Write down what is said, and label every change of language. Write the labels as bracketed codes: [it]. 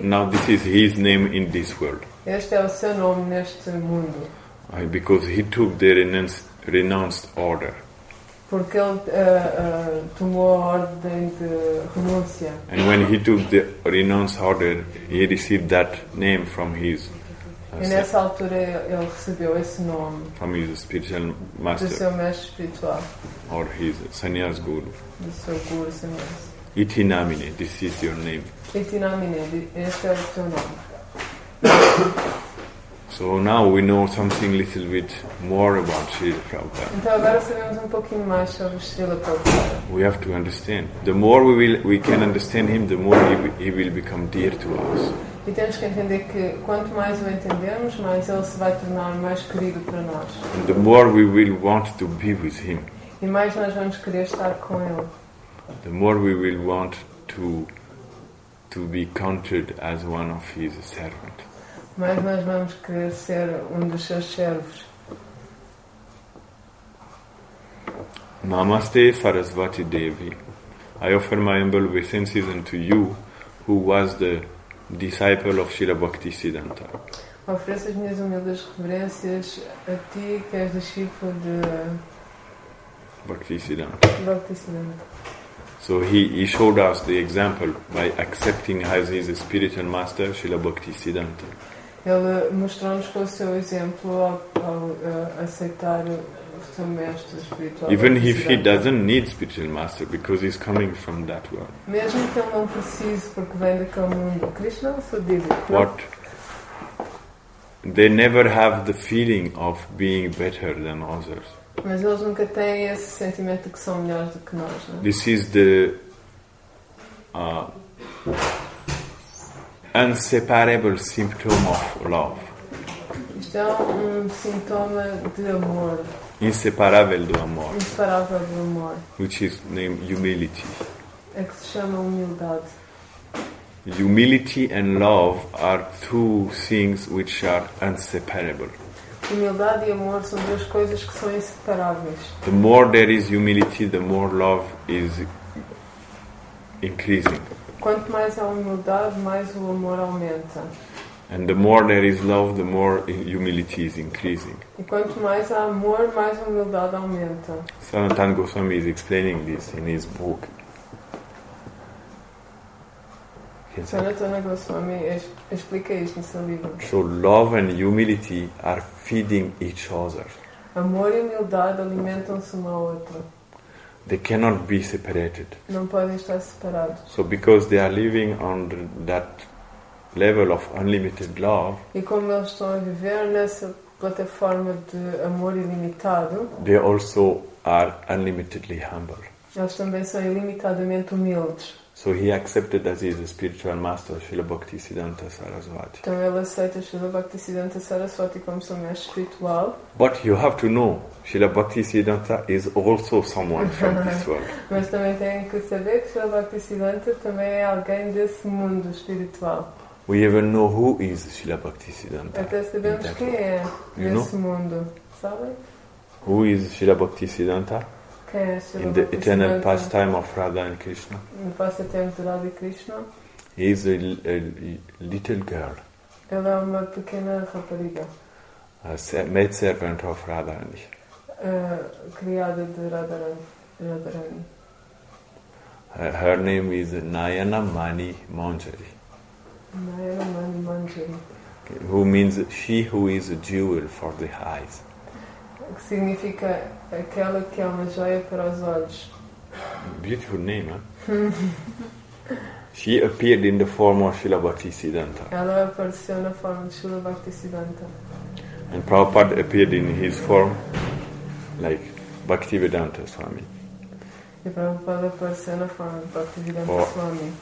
[en] Now this is his name in this world. [pt] Este o seu nome neste mundo. [en] Because he took the renounced order. [pt] Porque ele tomou a ordem de renúncia. [en] And when he took the renounced order, he received that name from his. [pt] E nessa altura ele recebeu esse nome. [en] From his spiritual master. [pt] Do seu mestre espiritual. [en] Or his sannyas guru. [pt] Do seu guru sannyas. [en] Itinamine, this is your name. [pt] Itinamine, este é o teu nome. [en] So now we know something a little bit more about Srila Prabhupada. [pt] Então agora sabemos pouquinho mais sobre Srila Prabhupada. [en] We have to understand. The more we can understand him, the more he will become dear to us. [pt] E temos que entender que quanto mais o entendemos, mais ele se vai tornar mais querido para nós. [en] And the more we will want to be with him. [pt] E mais nós vamos querer estar com ele. [en] The more we will want to be counted as one of his servants. [pt] Mais nós vamos querer ser dos seus servos. [sa] Namaste Sarasvati Devi. [en] I offer my humble obeisances unto you, who was the disciple of Srila Bhaktisiddhanta. [pt] Ofereço as minhas humildes reverências a ti, que és discípulo de Bhaktisiddhanta. [en] So he showed us the example by accepting as his spiritual master Srila Bhaktisiddhanta. [pt] Ele mostrou-nos com o seu exemplo ao aceitar o seu mestre espiritual. [en] Even if he doesn't need spiritual master, because he's coming from that world. [pt] Mesmo que ele não precise, porque vem daquele mundo. [en] Krishna, so did it. What? They never have the feeling of being better than others. [pt] Mas eles nunca têm esse sentimento de que são melhores do que nós, não? [en] This is the inseparable symptom of love. [pt] Isto é sintoma de amor. Inseparável do amor. Inseparável do amor. [en] Which is named humility. [pt] É que se chama humildade. [en] Humility and love are two things which are inseparable. [pt] Humildade e amor são duas coisas que são inseparáveis. [en] The more there is humility, the more love is increasing. [pt] Quanto mais a humildade, mais o amor aumenta. [en] And the more there is love, the more humility is increasing. [pt] E quanto mais há amor, mais a humildade aumenta. [en] Sanatan Goswami is explaining this in his book. [pt] Sanatan Goswami explica isto no seu livro. [en] So love and humility are feeding each other. [pt] Amor e humildade alimentam-se uma à outra. [en] They cannot be separated. [pt] Não podem estar separados. [en] So because they are living on that level of unlimited love. [pt] E como eles estão a viver nessa plataforma de amor ilimitado. [en] They also are unlimitedly humble. [pt] Eles também são ilimitadamente humildes. [en] So he accepted as his spiritual master Srila Bhaktisiddhanta Sarasvati. [pt] Então ele aceita Srila Bhaktisiddhanta Sarasvati como seu mestre espiritual. [en] But you have to know, Srila Bhaktisiddhanta is also someone from this world. [pt] Mas também tem que saber que Srila Bhaktisiddhanta também é alguém desse mundo espiritual. [en] We even know who is Srila Bhaktisiddhanta. [pt] Até sabemos quem é nesse mundo, sabe? [en] Who is Srila Bhaktisiddhanta? In the eternal pastime of Radha and Krishna. [pt] No pastime de Radha e Krishna. [en] He is a little girl. [pt] Ela é uma pequena rapariga. [en] A maid servant of Radharani. [pt] Criada de Radharani. [en] Her name is Nayana Mani Manjari. [pt] Nayana Mani Manjari. [en] Okay. Who means she who is a jewel for the eyes. [pt] Que significa aquela que é uma joia para os olhos. [en] Beautiful name, huh? She appeared in the form of Srila Bhaktisiddhanta. [pt] Ela apareceu na forma de Srila Bhaktisiddhanta. [en] And Prabhupada appeared in his form like Bhaktivedanta Swami. [pt] E Prabhupada apareceu na forma de Bhaktivedanta Swami.